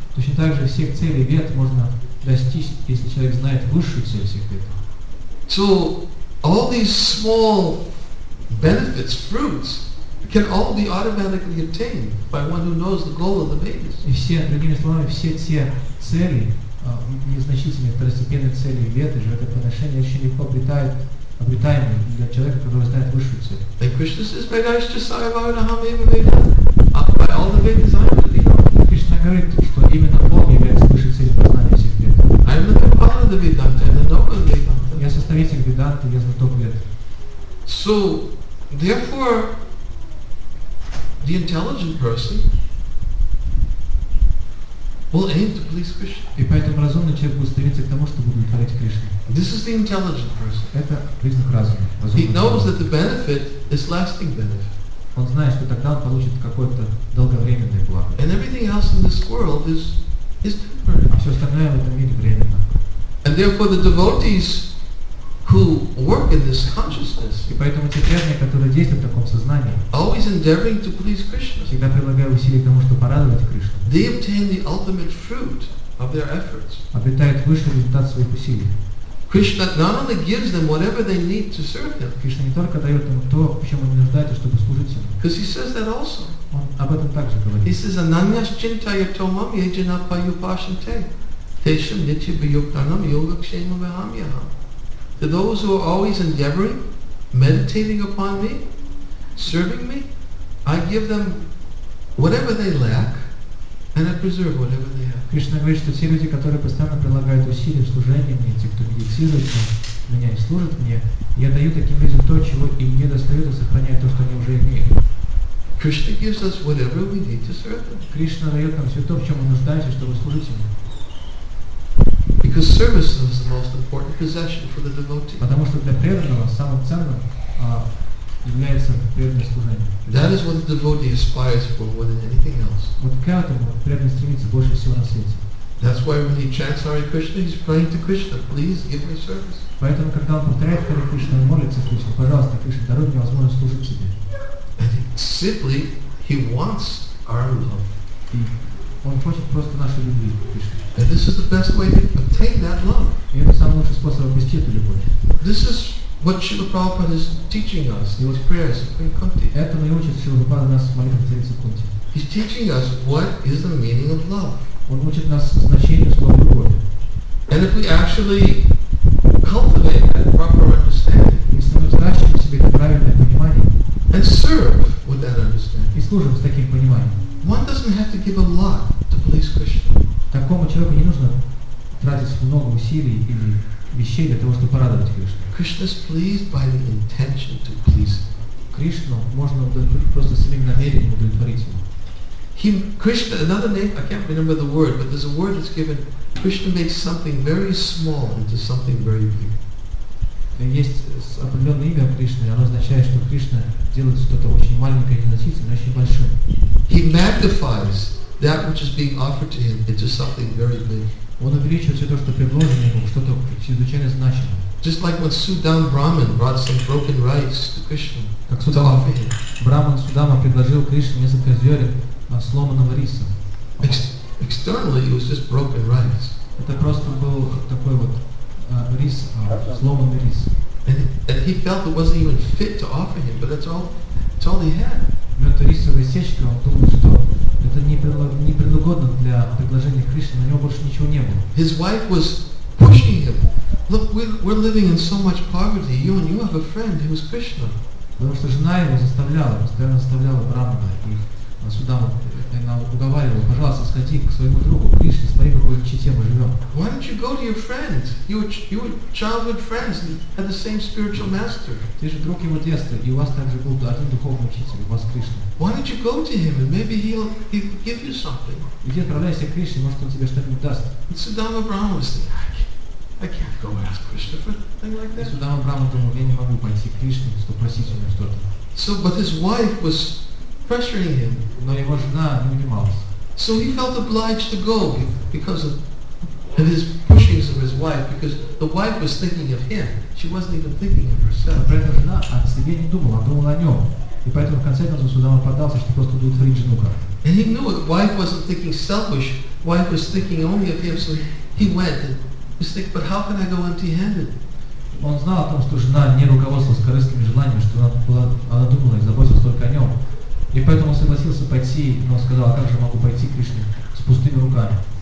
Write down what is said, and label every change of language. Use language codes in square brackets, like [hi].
[ru] Точно так же всех целей Вед можно достичь, если человек знает высшую цель всех Вед. [en] So all these small benefits, fruits, can all be automatically obtained by one who knows the goal of the Vedas. [ru] И все, другими словами, все те цели, незначительные второстепенные цели Веды, жертвоприношения, очень легко обретаемые для человека, который знает высшую цель. [en] Like Krishna says, [sa] Vaigashtha Sayavaranaham Eva Veda, [en] by all the Vedas I am the goal. [ru] Кришна говорит, что именно Бог является высшей целью познания всех Вед. [en] I am the compiler of the Vedanta, I am the knower of the Vedanta. [ru] Я составитель Веданты, я знаток Вед. [en] So, therefore, the intelligent person will aim to please Krishna. [ru] И поэтому разумный человек будет стремиться к тому, чтобы удовлетворить Кришну. [en] This is the intelligent person. [ru] Это признак разума. [en] He knows that the benefit is lasting benefit. [ru] Он знает, что тогда он получит какое-то долговременное благо. [en] And everything else in this world is temporary. [ru] А все остальное в этом мире временно. [en] And therefore, the devotees who work in this consciousness, [ru] и поэтому те преданные, которые действуют в таком сознании, [en] always endeavoring to please Krishna, [ru] всегда прилагая усилия к тому, чтобы порадовать Кришну, [en] they obtain the ultimate fruit of their efforts. [ru] Обретают высший результат своих усилий. [en] Krishna not only gives them whatever they need to serve Him. [ru] Кришна не только дает им то, в чем они нуждаются, чтобы служить Ему. [en] Because He says that also. [ru] Он об этом также говорит. [en] He says, [sa] "Ananyas chintaya tomam yajana payupashante, tesham nitya vyuktanam yogakshema vahamyaham." [en] To those who are always endeavoring, meditating upon me, serving me, I give them whatever they lack, and I preserve whatever they have. [ru] Кришна говорит, что те люди, которые постоянно прилагают усилия в служении мне, те, кто медитирует на меня и служит мне, я даю таким людям то, чего им не достает, и сохраняю то, что они уже имеют. [en] Krishna gives us whatever we need to serve Him. [ru] Кришна дает нам все то, в чем мы нуждаемся, чтобы служить Ему. [en] Because service is the most important possession for the devotee. [ru] Потому что для преданного самым ценным является преданное служение. [en] That is what the devotee aspires for more than anything else. [ru] Вот к этому преданный стремится больше всего на свете. [en] That's why when he chants Hare Krishna, he's praying to Krishna, please give me service. [ru] Поэтому когда он повторяет Hare Krishna, он молится Кришне, пожалуйста, Кришна, даруй мне возможность служить тебе. [en] And simply he wants our love. [ru] Он хочет просто нашей любви, Кришна. [en] And this is the best way to obtain that love. [ru] И это самый лучший способ обрести эту любовь. [en] This is what Srila Prabhupada is teaching us in his prayers in Kunti. [ru] Этому и учит Srila Prabhupada нас в молитвах 30 Кунти. [en] He's teaching us what is the meaning of love. [ru] Он учит нас значению слова любовь. [en] And if we actually cultivate that proper understanding, [ru] если мы взращиваем себе это правильное понимание, [en] and serve with that understanding, [ru] и служим с таким пониманием, [en] one doesn't have to give a lot to please Krishna. [ru] Такому человеку не нужно тратить много усилий или вещей для того, чтобы порадовать Кришну. [en] Krishna is pleased by the intention to please Him. [ru] Кришну можно удовлетворить просто своим намерением удовлетворить Его. [en] He, Krishna, another name, I can't remember the word, but there's a word that's given. Krishna makes something very small into something very big. [ru] Есть определенное имя Кришны, оно означает, что Кришна делает что-то очень маленькое и незначительное, но очень большое. [en] He magnifies that which is being offered to Him into something very big. [ru] Он увеличивает все то, что предложено ему, что-то чрезвычайно значимое. [en] Just like when Sudama Brahman brought some broken rice to Krishna. To offer him. [ru] Brahman Sudama предложил Кришне несколько зерен сломанного риса. [en] Externally it was just broken rice. [ru] Это просто был такой вот рис, сломанный рис. [en] And he felt it wasn't even fit to offer him, but that's all he had. [ru] Но эта рисовая сечка, он думал, что это не предугодно для предложения Кришне, на него больше ничего не было. [en] His wife was pushing him. Look, we're living in so much poverty. You have a friend who is Krishna. [ru] Потому что жена его заставляла, постоянно заставляла Брахмана и Судаму, она уговаривала, пожалуйста, сходи к своему другу Кришне, смотри, в какой чите мы живем. [en] Why don't you go to your friends? You were childhood friends and had the same spiritual master. [ru] Ты же друг его детства, и у вас также был один духовный учитель, у вас Кришна. [en] Why don't you go to him and maybe he'll give you something? [ru] Иди отправляйся к Кришне, может он тебе что-нибудь даст. [en] And Sudama Brahma was saying, I can't go ask Krishna for anything like that. [ru] Sudama Brahma думал, я не могу пойти к Кришне, чтобы просить у него что-то. [en] So, but his wife was pressuring him. [ru] Но его жена не унималась. [en] So he felt obliged to go because of his pushings of his wife, because the wife was thinking of him. She wasn't even thinking of herself. [ru] Но при этом жена о себе не думала, а думала о нем. И поэтому в конце концов Судама поддался, чтобы просто удовлетворить жену как. [en] And he knew that wife wasn't thinking selfish. Wife was thinking only of him, so he went and was thinking, but how can I go empty-handed? [ru] Он знал о том, что жена не руководствовалась корыстными желаниями, что она думала и заботилась только о нем. И поэтому он согласился пойти, но сказал, а как же могу пойти к Кришне с пустыми руками?